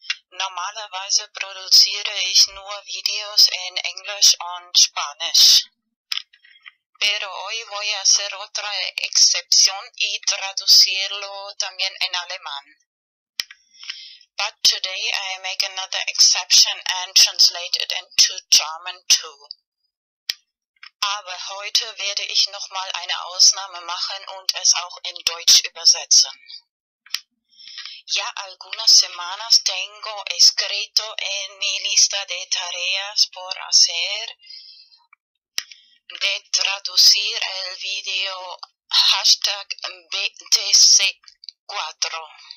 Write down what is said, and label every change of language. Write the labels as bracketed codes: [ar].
[de] Normalerweise produziere ich nur Videos in English und Spanisch. [es] Pero hoy voy a hacer otra excepción y traducirlo también en alemán. [en] But today I make another exception and translate it into German too. [de] Aber heute werde ich nochmal eine Ausnahme machen und es auch in Deutsch übersetzen. [es] Ya algunas semanas tengo escrito en mi lista de tareas por hacer de traducir el video hashtag BTC4.